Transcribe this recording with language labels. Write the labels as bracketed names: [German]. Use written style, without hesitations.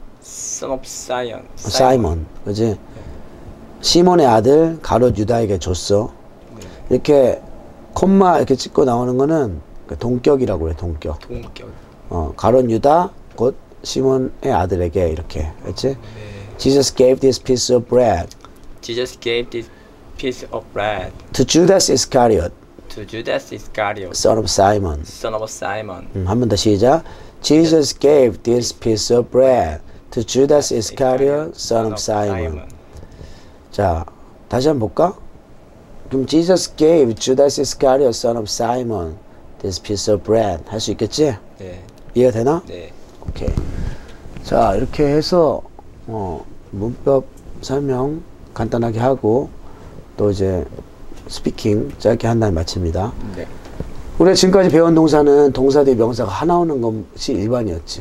[English] Son of Simon. [Korean] Simon. Simon. 그지? 네. 시몬의 아들 가룟 유다에게 줬어. 네. 이렇게 콤마 이렇게 찍고 나오는 거는 동격이라고 그래. 동격. 동격. 가룟 유다 곧 시몬의 아들에게 이렇게. 그렇지? 네. [English] Jesus gave this piece of bread. Jesus gave this piece of bread. To Judas Iscariot. To Judas Iscariot. Son of Simon. Son of Simon. [Korean] 한 번 더 시작. [English] Jesus gave this piece of bread to Judas Iscariot, son of Simon. [Korean] 자, 다시 한번 볼까? 그럼 [English] Jesus gave Judas Iscariot, son of Simon, this piece of bread. [Korean] 할 수 있겠지? 네. 이해가 되나? 네. 오케이. 자, 이렇게 해서 문법 설명 간단하게 하고 또 이제 스피킹 짧게 한 다음에 마칩니다. 네. 우리 지금까지 배운 동사는 동사 뒤 명사가 하나 오는 것이 일반이었지.